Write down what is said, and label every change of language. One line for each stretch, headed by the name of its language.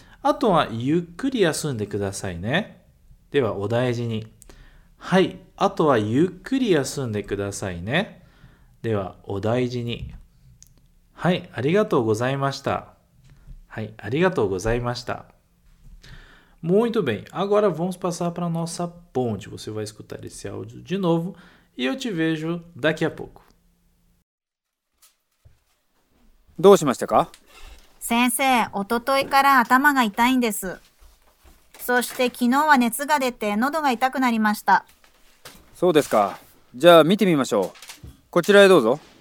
Japanese: あとはゆっくり休んでくださいね。では、お大事に。はい。あとはゆっくり休んでくださいね。では、お大事に。はい。ありがとうございました。はい。ありがとうございました。
Portuguese: Muito bem, agora vamos passar para a nossa ponte. Você vai escutar esse áudio de novo e eu te vejo daqui a pouco.
Japanese: どうしましたか? 先生、おとといから頭が痛いんです。そして昨日は熱が出て喉が痛くなりました。そうですか。じゃあ見てみましょう。こちらへどうぞ。